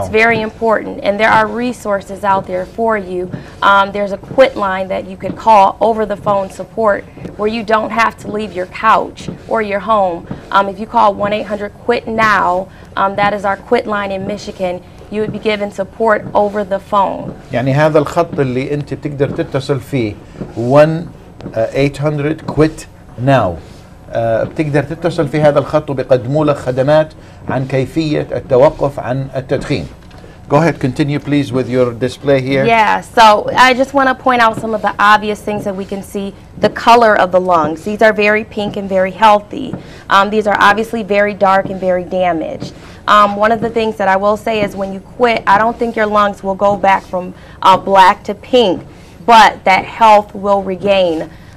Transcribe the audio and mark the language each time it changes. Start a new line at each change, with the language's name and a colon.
English: It's very important, and there are resources out there for you. There's a quit line that you could call over the phone support where you don't have to leave your couch or your home. If you call 1-800-QUIT-NOW, that is our quit line in Michigan, you would be given support over the phone.
Arabic: يعني هذا الخط اللي انت بتقدر تتصل فيه 1-800-QUIT-NOW. بتقدر تتصل في هذا الخط وبيقدموا لك خدمات عن كيفية التوقف عن التدخين.
English: Go ahead, continue please with your display here. Yeah, so I just want to point out some of the obvious things that we can see. The color of the lungs. These are very pink and very healthy. These are obviously very dark and very damaged. One of the things that I will say is when you quit, I don't think your lungs will go back from black to pink, but that health will regain.